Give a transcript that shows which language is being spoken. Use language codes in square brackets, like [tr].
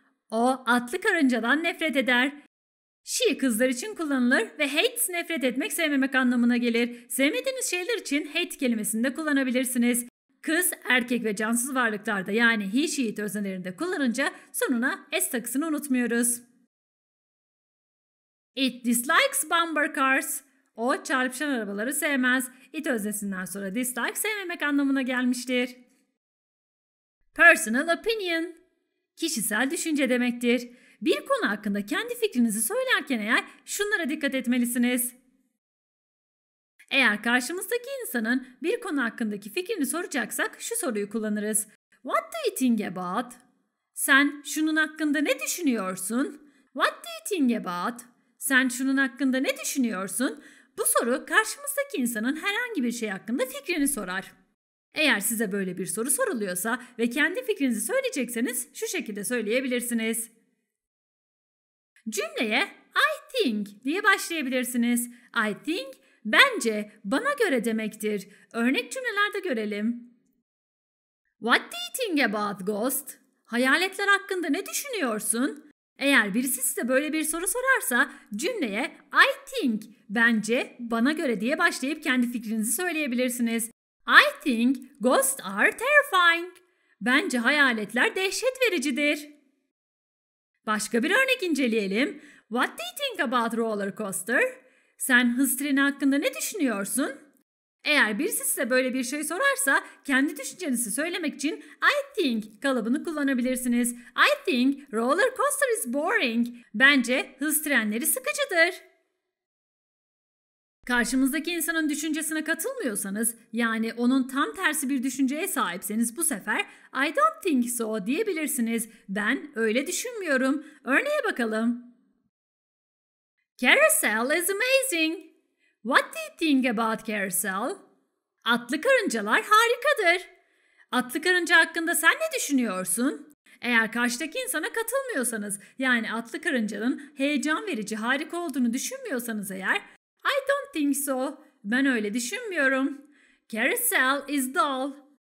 [tr] O atlı karıncadan nefret eder. Şi kızlar için kullanılır ve hate nefret etmek sevmemek anlamına gelir. Sevmediğiniz şeyler için hate kelimesini de kullanabilirsiniz. Kız erkek ve cansız varlıklarda yani he-she-it öznelerinde kullanınca sonuna s takısını unutmuyoruz. [en] It dislikes bumper cars. [tr] O çarpışan arabaları sevmez. It öznesinden sonra dislike sevmemek anlamına gelmiştir. [en] Personal opinion. [tr] Kişisel düşünce demektir. Bir konu hakkında kendi fikrinizi söylerken eğer şunlara dikkat etmelisiniz. Eğer karşımızdaki insanın bir konu hakkındaki fikrini soracaksak şu soruyu kullanırız. [en] What do you think about? [tr] Sen şunun hakkında ne düşünüyorsun? [en] What do you think about? [tr] Sen şunun hakkında ne düşünüyorsun? Bu soru karşımızdaki insanın herhangi bir şey hakkında fikrini sorar. Eğer size böyle bir soru soruluyorsa ve kendi fikrinizi söyleyecekseniz şu şekilde söyleyebilirsiniz. Cümleye [en] I think [tr] diye başlayabilirsiniz. I think bence, bana göre demektir. Örnek cümlelerde görelim. [en] What do you think about ghost? [tr] Hayaletler hakkında ne düşünüyorsun? Eğer birisi size böyle bir soru sorarsa cümleye [en] I think, [tr] bence, bana göre diye başlayıp kendi fikrinizi söyleyebilirsiniz. [en] I think ghosts are terrifying. [tr] Bence hayaletler dehşet vericidir. Başka bir örnek inceleyelim. [en] What do you think about roller coaster? [tr] Sen hız treni hakkında ne düşünüyorsun? Eğer birisi size böyle bir şey sorarsa kendi düşüncenizi söylemek için [en] I think [tr] kalıbını kullanabilirsiniz. [en] I think roller coaster is boring. [tr] Bence hız trenleri sıkıcıdır. Karşımızdaki insanın düşüncesine katılmıyorsanız, yani onun tam tersi bir düşünceye sahipseniz bu sefer [en] I don't think so [tr] diyebilirsiniz. Ben öyle düşünmüyorum. Örneğe bakalım. [en] Carousel is amazing. What do you think about carousel? [tr] Atlı karıncalar harikadır. Atlı karınca hakkında sen ne düşünüyorsun? Eğer karşıdaki insana katılmıyorsanız, yani atlı karıncanın heyecan verici, harika olduğunu düşünmüyorsanız eğer [en] I don't think so. [tr] Ben öyle düşünmüyorum. [en] Carousel is dull.